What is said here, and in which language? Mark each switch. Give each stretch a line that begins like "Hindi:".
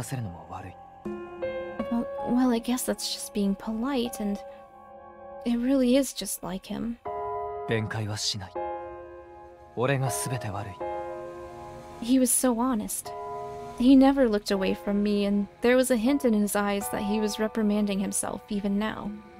Japanese: 症状ではなく、自分で来るべきだと思った。それに、長居をしてそちらの時間を取らせるのも悪い。Well,
English: I guess that's just being polite, and it really is just like him.
Japanese: 弁解はしない。俺が全て悪い。He
English: was so honest. He never looked away from me, and there was a hint in his eyes that he was reprimanding himself even now.